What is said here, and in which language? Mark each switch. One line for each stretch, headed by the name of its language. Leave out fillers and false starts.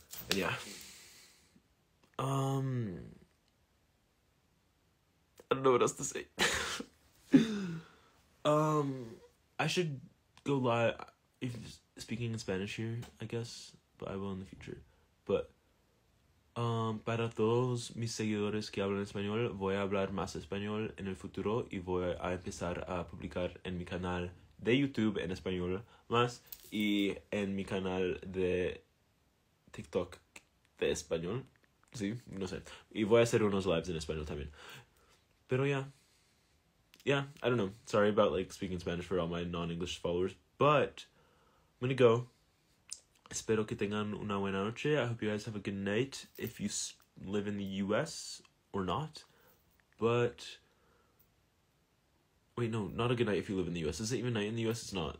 English: And yeah, I don't know what else to say. I should go live, if speaking in Spanish here, I guess, but I will in the future.
Spanish: But para todos mis seguidores que hablan español, voy a hablar más español en el futuro y voy a empezar a publicar en mi canal de YouTube en español más y en mi canal de TikTok de español, sí, no sé, y voy a hacer unos lives en español también. Pero ya,
English: yeah, I don't know, sorry about like speaking Spanish for all my non-English followers, but I'm gonna go.
Spanish: Espero que tengan una buena noche.
English: I hope you guys have a good night if you live in the US or not. But wait, no, not a good night if you live in the US. Is it even night in the US? It's not.